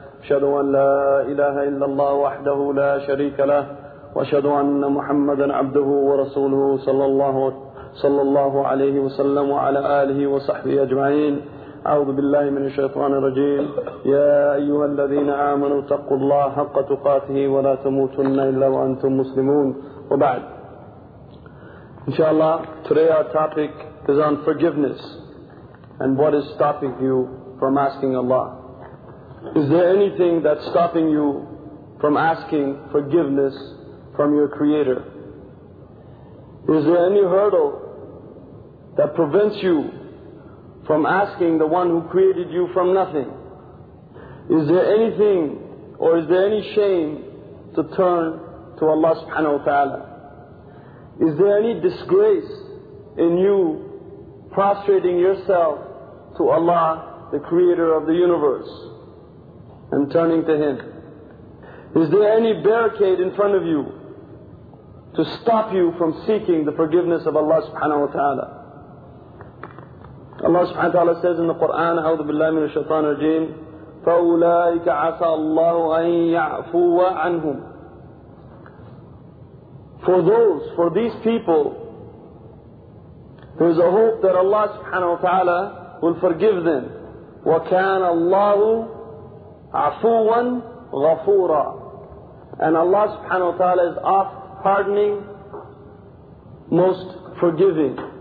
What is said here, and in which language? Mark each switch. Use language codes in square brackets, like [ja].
[ar] أشهد أن لا إله إلا الله وحده لا شريك له وأشهد أن محمدا عبده ورسوله صلى الله عليه وسلم وعلى آله وصحبه أجمعين. أعوذ بالله من الشيطان الرجيم. يا أيها الذين آمنوا اتقوا الله حق تقاته ولا تموتن إلا وأنتم مسلمون. وبعد, إن شاء الله, [en] today our topic is on forgiveness and what is stopping you from asking Allah. Is there anything that's stopping you from asking forgiveness from your Creator? Is there any hurdle that prevents you from asking the one who created you from nothing? Is there anything, or is there any shame to turn to Allah subhanahu wa ta'ala? Is there any disgrace in you prostrating yourself to Allah, the Creator of the universe, and turning to Him? Is there any barricade in front of you to stop you from seeking the forgiveness of Allah subhanahu wa ta'ala? Allah subhanahu wa ta'ala says in the Qur'an, [ar] أعوذ بالله من الشيطان الرجيم, فَأُولَٰئِكَ عَسَى اللَّهُ أَن يَعْفُوَ عَنْهُمْ. [en] For these people, there is a hope that Allah subhanahu wa ta'ala will forgive them. [ar] وَكَانَ اللَّهُ عَفُوًا غَفُورًا. [en] And Allah subhanahu wa ta'ala is oft pardoning, most forgiving.